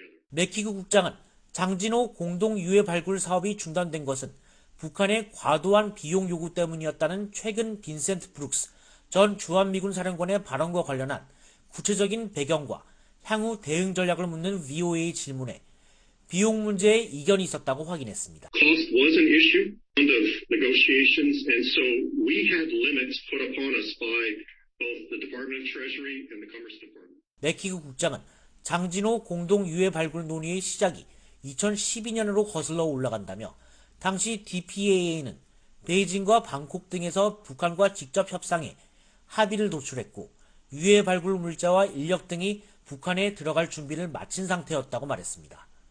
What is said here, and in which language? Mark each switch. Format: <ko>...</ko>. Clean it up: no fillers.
<ko>맥키그 국장은 장진호 공동 유해 발굴 사업이 중단된 것은 북한의 과도한 비용 요구 때문이었다는 최근 빈센트 브룩스 전 주한미군 사령관의 발언과 관련한 구체적인 배경과 향후 대응 전략을 묻는 VOA 질문에 비용 문제에 이견이 있었다고 확인했습니다.</ko> <en>Cost was an issue under negotiations, and so we had limits put upon us by both the Department of Treasury and the Commerce Department.</en> <ko>맥키그 국장은 장진호 공동 유해 발굴 논의의 시작이 2012년으로 거슬러 올라간다며 당시 DPAA는 베이징과 방콕 등에서 북한과 직접 협상해 합의를 도출했고 유해 발굴 물자와 인력 등이 북한에 들어갈 준비를 마친 상태였다고 말했습니다.</ko>